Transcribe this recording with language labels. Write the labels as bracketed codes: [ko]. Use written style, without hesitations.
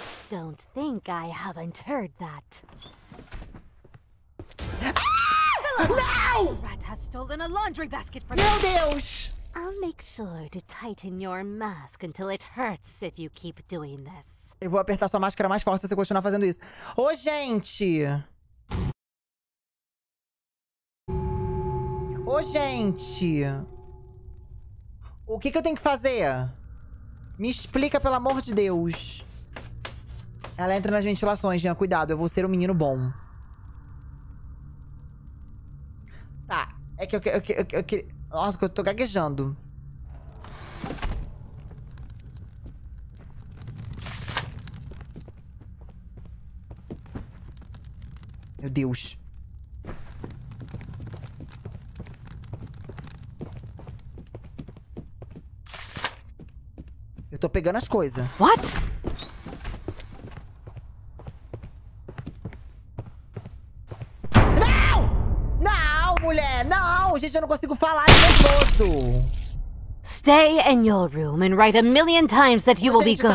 [en] Don't think I haven't heard that. [pt] Não! [en] Rat has stolen a laundry basket from [pt] Meu Deus! [en] I'll make sure to tighten your mask until it hurts if you keep doing this. [pt] Eu vou apertar sua máscara mais forte se você continuar fazendo isso. Ô, gente! Ô, gente! O que que eu tenho que fazer? Me explica, pelo amor de Deus. Ela entra nas ventilações, Jean. Cuidado, eu vou ser um menino bom. Tá, é que nossa, que eu tô gaguejando. Meu Deus. Eu tô pegando as coisas. [en] What? [pt] Não! Não, mulher! Não! Gente, eu não consigo falar, é nervoso! [en] Stay in your room and write a million times that you will be good.